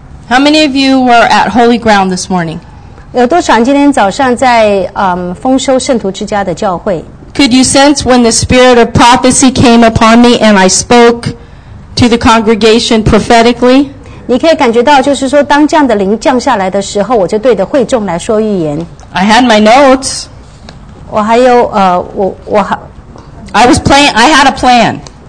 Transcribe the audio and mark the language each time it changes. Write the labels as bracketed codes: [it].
[en] How many of you were at Holy Ground this morning? [zh] 有多少人今天早上在丰收圣徒之家的教会 [en] Could you sense when the spirit of prophecy came upon me and I spoke to the congregation prophetically? [zh] 你可以感觉到就是说当这样的灵降下来的时候我就对着会众来说预言 [en] I had my notes [zh] 我还有我 [en] I was playing, I had a plan